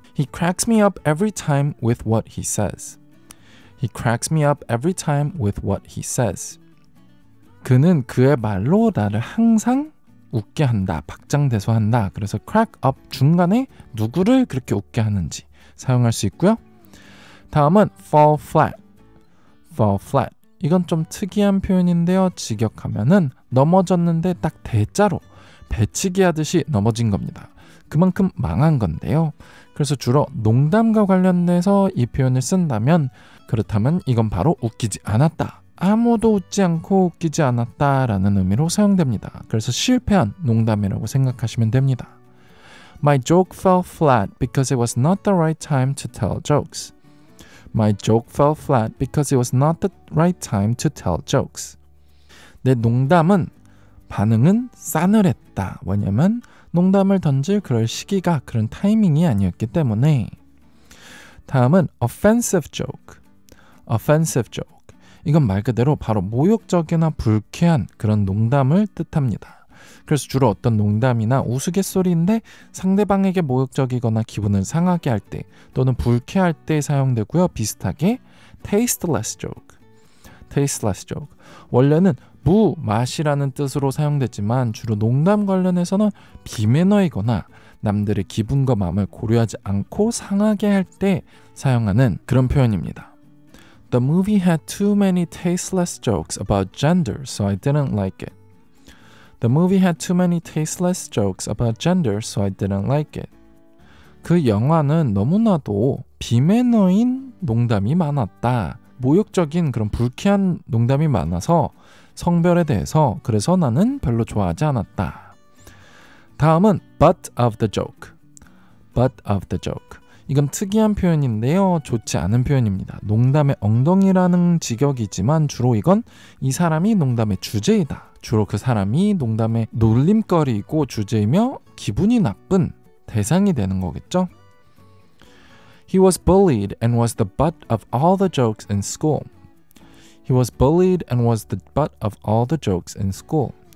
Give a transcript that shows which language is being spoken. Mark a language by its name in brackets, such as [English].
[English] He cracks me up every time with what he says. He cracks me up every time with what he says. [Korean] 그는 그의 말로 나를 항상 웃게 한다, 박장대소한다. 그래서 crack up 중간에 누구를 그렇게 웃게 하는지 사용할 수 있고요. 다음은 [English] fall flat. Fall flat. [Korean] 이건 좀 특이한 표현인데요. 직역하면은 넘어졌는데 딱 대자로 배치기 하듯이 넘어진 겁니다. 그만큼 망한 건데요. 그래서 주로 농담과 관련돼서 이 표현을 쓴다면 그렇다면 이건 바로 웃기지 않았다. 아무도 웃지 않고 웃기지 않았다 라는 의미로 사용됩니다. 그래서 실패한 농담이라고 생각하시면 됩니다. [English] My joke fell flat because it was not the right time to tell jokes. My joke fell flat because it was not the right time to tell jokes. [Korean] 내 농담은 반응은 싸늘했다. 왜냐면 농담을 던질 그럴 시기가 그런 타이밍이 아니었기 때문에. 다음은 [English] offensive joke. offensive joke. [Korean] 이건 말 그대로 바로 모욕적이나 불쾌한 그런 농담을 뜻합니다. 그래서 주로 어떤 농담이나 우스갯소리인데 상대방에게 모욕적이거나 기분을 상하게 할 때 또는 불쾌할 때 사용되고요. 비슷하게 [English] tasteless joke. tasteless joke. [Korean] 원래는 무, 맛이라는 뜻으로 사용되지만 주로 농담 관련해서는 비매너이거나 남들의 기분과 마음을 고려하지 않고 상하게 할 때 사용하는 그런 표현입니다. [English] The movie had too many tasteless jokes about gender, so I didn't like it. The movie had too many tasteless jokes about gender, so I didn't like it. [Korean] 그 영화는 너무나도 비매너인 농담이 많았다. 모욕적인 그런 불쾌한 농담이 많아서 성별에 대해서 그래서 나는 별로 좋아하지 않았다. 다음은 [English] butt of the joke. butt of the joke. [Korean] 이건 특이한 표현인데요. 좋지 않은 표현입니다. 농담의 엉덩이라는 직역이지만 주로 이건 이 사람이 농담의 주제이다. 주로 그 사람이 농담의 놀림거리이고 주제이며 기분이 나쁜 대상이 되는 거겠죠. [English] He was bullied and was the butt of all the jokes in school. He was bullied and was the butt of all the jokes in school.